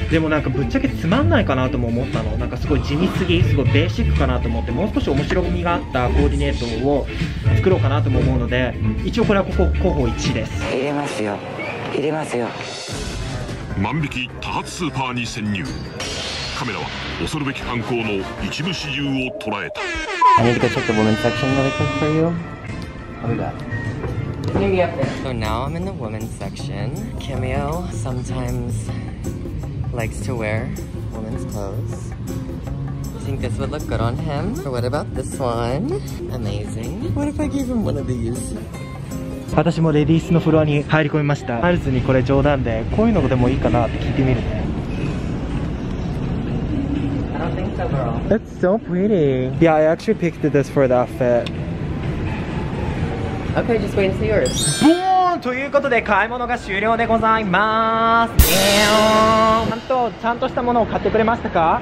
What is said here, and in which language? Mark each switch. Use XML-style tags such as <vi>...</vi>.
<ja>でもなんかぶっちゃけつまんないかなとも思ったの。なんかすごい地味すぎ、すごいベーシックかなと思って、もう少し面白みがあったコーディネートを作ろうかなとも思うので、一応これはここ候補1です。入れますよ。入れますよ。万引き多発スーパーに潜入。カメラは恐るべき犯行の一部始終を捉えた。</ja> <en>I need to go check the women's section really quick for you. I'll be back. So now I'm in the women's section. Cameo sometimes likes to wear women's clothes. I think this would look good on him. So what about this one? Amazing. What if I gave him one of these?</en> <ja>私もレディースのフロアに入り込みました。マイルズにこれ冗談でこういうのでもいいかなって聞いてみる。</ja> <en>I don't think so, girl. It's so pretty. Yeah, I actually picked this for the outfit. Okay, just wait and see yours. Boom!</en> <ja>ということで買い物が終了でございまーす。ちゃんとちゃんとしたものを買ってくれましたか？</ja>